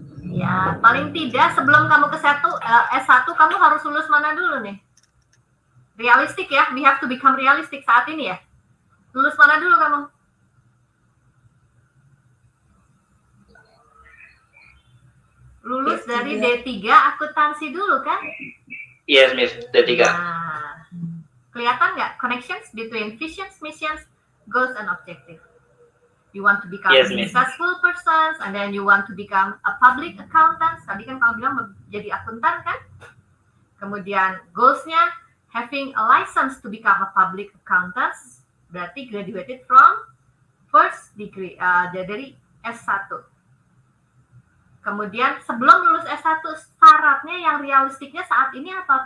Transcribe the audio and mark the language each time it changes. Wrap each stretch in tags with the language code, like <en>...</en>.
<id>Ya, paling tidak sebelum kamu ke S1, kamu harus lulus mana dulu nih? Realistik ya,</id> <en>we have to become realistic</en> <id>saat ini ya. Lulus mana dulu kamu? Lulus dari D3 akuntansi dulu kan?</id> <en>Yes, Miss, D3.</en> <id>Nah, kelihatan nggak</id> <en>connections between visions, missions, goals, and objectives? You want to become a successful person, and then you want to become a public accountant.</en> <id>Tadi kan kamu bilang jadi akuntan kan? Kemudian goals-nya,</id> <en>having a license to become a public accountant,</en> <id>berarti</id> <en>graduated from first degree,</en> <id>dari S1. Kemudian sebelum lulus S1, syaratnya yang realistiknya saat ini apa?</id>